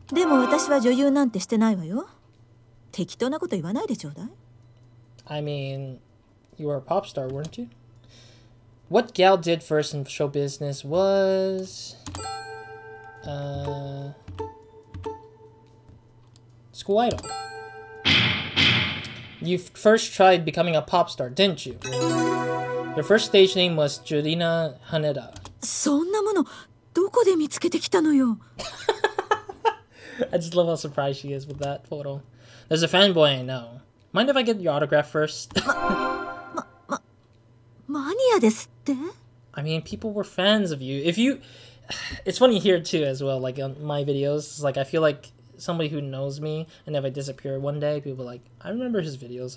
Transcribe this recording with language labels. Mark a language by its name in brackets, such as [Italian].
[English] I mean, you were a pop star, weren't you? What gal did first in show business was... School idol. You first tried becoming a pop star, didn't you? Your first stage name was Jurina Haneda. [Japanese] そんなものどこで見つけてきたのよ? [English] I just love how surprised she is with that photo. There's a fanboy I know. Mind if I get your autograph first? [Japanese] マニアですって? [English] I mean, people were fans of you. If you... It's funny here too as well, like on my videos. It's like, I feel like somebody who knows me, and if I disappear one day, people are like, I remember his videos.